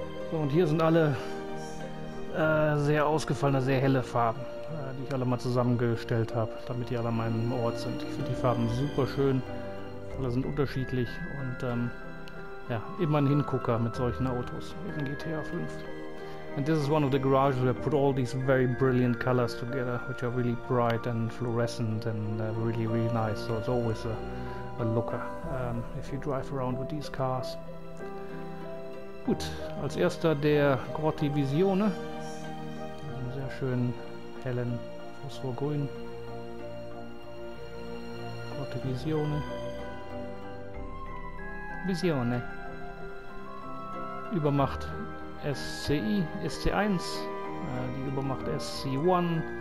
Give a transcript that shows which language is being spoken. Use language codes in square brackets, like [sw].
[de] So, und hier sind alle sehr ausgefallene, sehr helle Farben, die ich alle mal zusammengestellt habe, damit die alle an meinem Ort sind. Ich finde die Farben super schön, alle sind unterschiedlich und ja, immer ein Hingucker mit solchen Autos, eben GTA 5. [en] And this is one of the garages where I put all these very brilliant colors together, which are really bright and fluorescent and really, really nice, so it's always a looker, if you drive around with these cars. [de] Gut, als erster der Grotti Visione, einen sehr schönen hellen Phosphorgrün. Grotti Visione. Visione. Übermacht SCI, SC1, die Übermacht SC1.